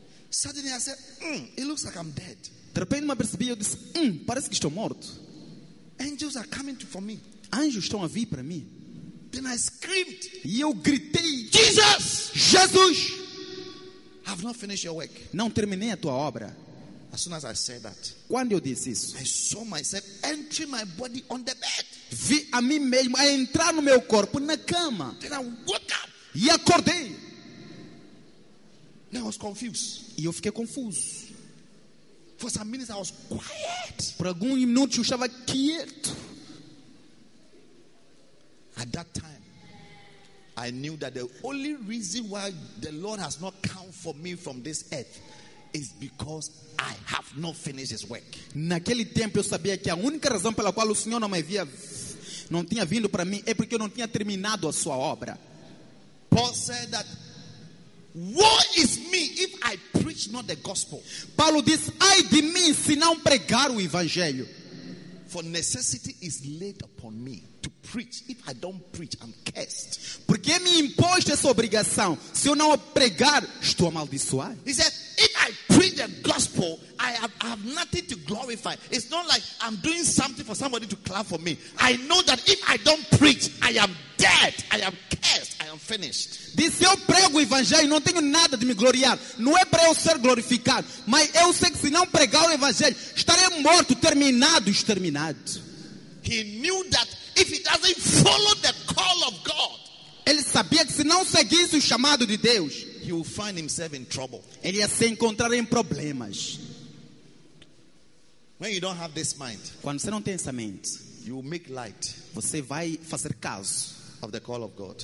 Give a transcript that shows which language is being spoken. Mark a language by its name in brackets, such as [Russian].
[English] Suddenly I said, it looks like I'm dead. [Portuguese] De repente me percebi, eu disse, parece que estou morto. [English] Angels are coming to for me. [Portuguese] Anjos estão a vir para mim. [English] Then I screamed. [Portuguese] E eu gritei, [English] Jesus! [Portuguese] Jesus! [English] I've not finished your work. [Portuguese] Não terminei a tua obra. [English] As soon as I said that, [Portuguese] quando eu disse isso, [English] I saw myself entering my body on the bed. [Portuguese] Vi a mim mesmo a entrar no meu corpo na cama. [English] Then I woke up. [Portuguese] E acordei. [English] Then I was confused. [Portuguese] E eu fiquei confuso. [English] For some minutes I was quiet. [Portuguese] Por alguns minutos eu estava quieto. [English] At that time, I knew that the only reason why the Lord has not come for me from this earth is because I have not finished his work. [Portuguese] Naquele tempo eu sabia que a única razão pela qual o Senhor não me via, não tinha vindo para mim, é porque eu não tinha terminado a sua obra. [English] Paul said that, woe is me if I preach not the gospel. [Portuguese] Paulo disse, ai de mim se não pregar o evangelho. [English] For necessity is laid upon me to preach. If I don't preach, I'm cursed. [Portuguese] Porque me imposto essa obrigação. Se eu não pregar, estou amaldiçoado. [English] He said, if I preach the gospel, I have nothing to glorify. It's not like I'm doing something for somebody to clap for me. I know that if I don't preach, I am dead. I am cursed. I am finished. [Portuguese] Diz, se eu prego o evangelho, não tenho nada de me gloriar. Não é para eu ser glorificado. Mas eu sei que se não pregar o evangelho, estarei morto, terminado, exterminado. [English] He knew that if he doesn't follow the call of God, [Portuguese] ele sabia que se não seguisse o chamado de Deus, [English] he will find himself in trouble. [Portuguese] Ele ia se encontrar em problemas. [English] When you don't have this mind, [Portuguese] quando você não tem essa mente, [English] you will make light. [Portuguese] Você vai fazer caso [English] of the call of God.